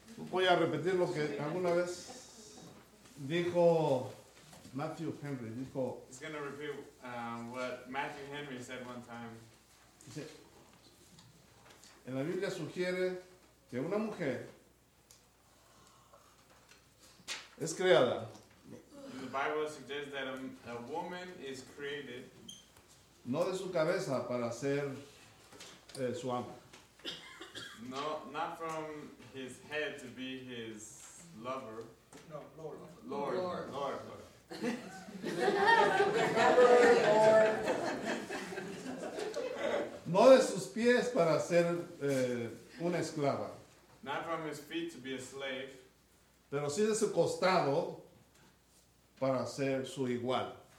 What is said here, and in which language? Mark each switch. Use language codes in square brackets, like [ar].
[es] Voy a repetir lo que alguna vez dijo Matthew Henry. Dijo, [en] he's going to repeat what Matthew Henry said one time. [es] Dice, en la Biblia sugiere que una mujer es creada. [en] The Bible suggests that a woman is created. [es] No de su cabeza para ser su ama. [en] No, not from his head to be his lover. No, Lord. Lord. Lord. Lord. [es] No de sus pies para ser una esclava. [en] Not from his feet to be a slave. [es] Pero sí de su costado para ser su igual.